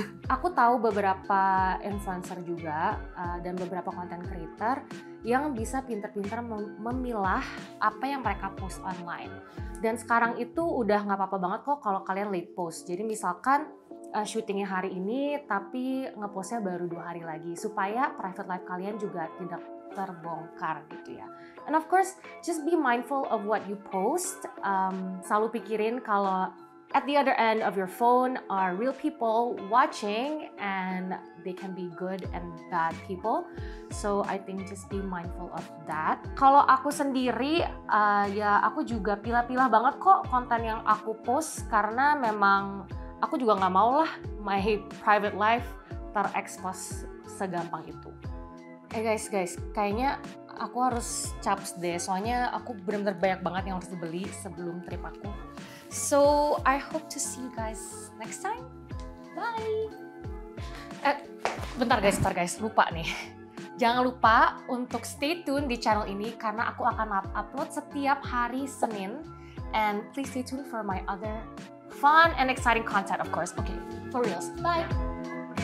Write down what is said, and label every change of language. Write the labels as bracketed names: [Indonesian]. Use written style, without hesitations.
[Indonesian] Aku tahu beberapa influencer juga dan beberapa content creator yang bisa pintar-pintar memilah apa yang mereka post online. Dan sekarang itu udah gak apa-apa banget kok kalau kalian late post. Jadi misalkan syutingnya hari ini tapi ngepostnya baru 2 hari lagi, supaya private life kalian juga tidak terbongkar gitu ya. [English] And of course, just be mindful of what you post. [Indonesian] Selalu pikirin kalau [English] at the other end of your phone are real people watching, and they can be good and bad people. So I think just be mindful of that. [Indonesian] Kalau aku sendiri, ya aku juga pilah-pilah banget kok konten yang aku post, karena memang aku juga gak mau lah [English] my private life [Indonesian] terekspos segampang itu. Hey guys, kayaknya aku harus caps deh, soalnya aku benar-benar banyak banget yang harus dibeli sebelum trip aku. [English] So, I hope to see you guys next time. [Indonesian] Bye! Bentar guys, lupa nih. Jangan lupa untuk stay tune di channel ini, karena aku akan upload setiap hari Senin. [English] And please stay tune for my other fun and exciting content, of course. Okay, for reals. Bye!